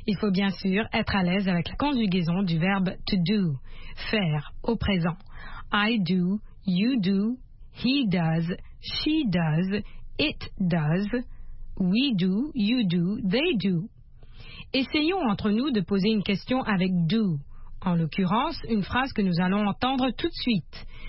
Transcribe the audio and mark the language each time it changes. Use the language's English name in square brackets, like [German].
[French] Il faut bien sûr être à l'aise avec la conjugaison du verbe to do, faire, au présent. [English] I do, you do, he does, she does, it does, we do, you do, they do. [French] Essayons entre nous de poser une question avec do. En l'occurrence, une phrase que nous allons entendre tout de suite.